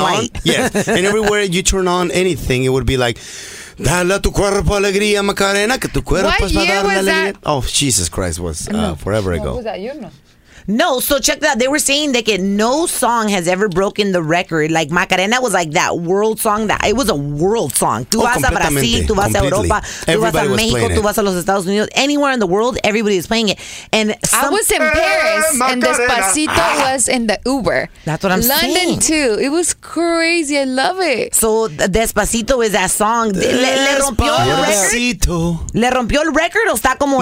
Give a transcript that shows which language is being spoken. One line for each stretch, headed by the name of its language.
English: on, yes. And everywhere you turn on anything, it would be like,
Spanish: "Dale a tu cuerpo
English: alegría, Macarena, que tu cuerpo
Spanish: es para dar la alegría."
English: Oh, Jesus Christ, was forever ago. Was that you? No, so check that. They were saying that no song has ever broken the record. Like Macarena was like that world song. That it was a world song.
Spanish: Tú vas a Brasil, tú vas a Europa, tú vas a México, tú vas a los Estados Unidos.
English: Anywhere in the world, everybody is playing it. And I was in Paris, and Despacito was in the Uber. That's what I'm saying. London too. It was crazy. I love it. So Despacito is that song.
Spanish: Le rompió el record. Le rompió el record. O está como